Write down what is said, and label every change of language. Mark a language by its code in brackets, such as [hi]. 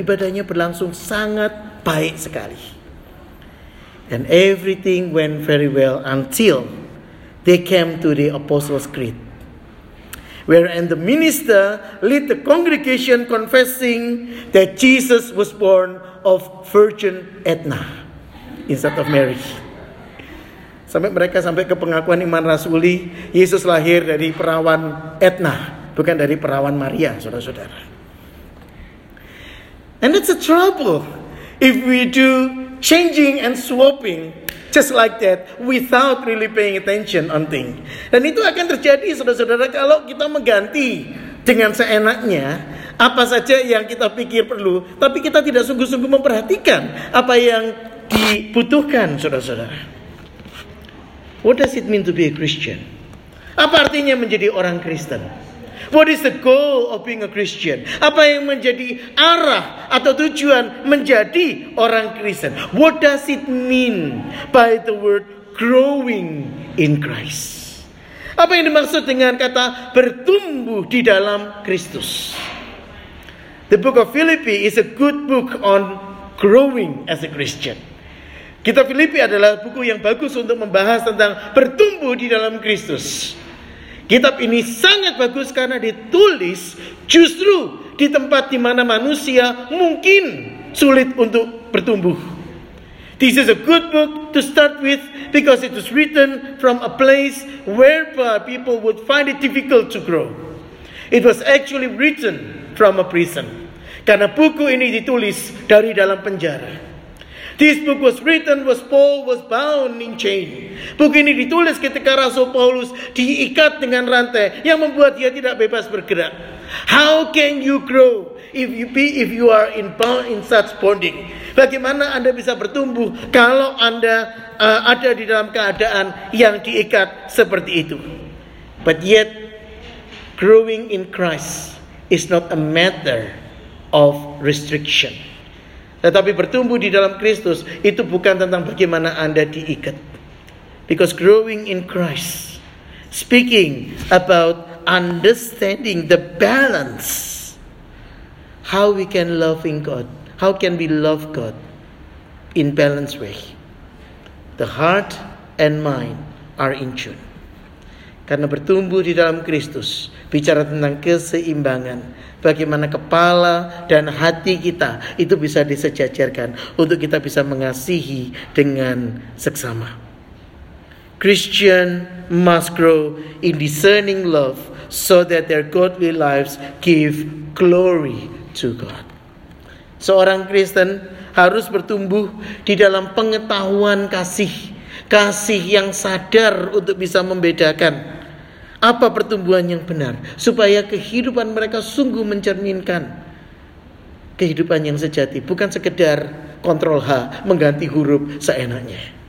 [id] Ibadahnya berlangsung sangat baik sekali. [en] And everything went very well until they came to the Apostles' Creed, wherein the minister led the congregation confessing that Jesus was born of Virgin Edna instead of Mary. [id] Sampai mereka sampai ke pengakuan iman rasuli, Yesus lahir dari perawan Edna, bukan dari perawan Maria, saudara-saudara. [en] And it's a trouble if we do changing and swapping just like that without really paying attention on thing. [id] Dan itu akan terjadi, saudara-saudara, kalau kita mengganti dengan seenaknya apa saja yang kita pikir perlu, tapi kita tidak sungguh-sungguh memperhatikan apa yang dibutuhkan, saudara-saudara. [en] What does it mean to be a Christian? [id] Apa artinya menjadi orang Kristen? [en] What is the goal of being a Christian? [id] Apa yang menjadi arah atau tujuan menjadi orang Kristen? [en] What does it mean by the word growing in Christ? [id] Apa yang dimaksud dengan kata bertumbuh di dalam Kristus? [en] The book of Philippi is a good book on growing as a Christian. [id] Kitab Filipi adalah buku yang bagus untuk membahas tentang bertumbuh di dalam Kristus. Kitab ini sangat bagus karena ditulis justru di tempat di mana manusia mungkin sulit untuk bertumbuh. [en] This is a good book to start with because it was written from a place where people would find it difficult to grow. It was actually written from a prison. Karena buku ini ditulis dari dalam penjara. This book was written when Paul was bound in chain. [id] Buku ini ditulis ketika Rasul Paulus diikat dengan rantai yang membuat dia tidak bebas bergerak. [en] How can you grow if you are in bound in such bonding? Bagaimana Anda bisa bertumbuh kalau Anda ada di dalam keadaan yang diikat seperti itu? But yet, growing in Christ is not a matter of restriction. [id] Tetapi bertumbuh di dalam Kristus itu bukan tentang bagaimana Anda diikat. [en] Because growing in Christ, speaking about understanding the balance, how we can love in God, how can we love God in balanced way. The heart and mind are in tune. [id] Karena bertumbuh di dalam Kristus bicara tentang keseimbangan, bagaimana kepala dan hati kita itu bisa disejajarkan untuk kita bisa mengasihi dengan seksama. [en] Christian must grow in discerning love so that their godly lives give glory to God. [id] Seorang Kristen harus bertumbuh di dalam pengetahuan kasih, kasih yang sadar untuk bisa membedakan apa pertumbuhan yang benar, supaya kehidupan mereka sungguh mencerminkan kehidupan yang sejati, bukan sekedar Control H mengganti huruf seenaknya.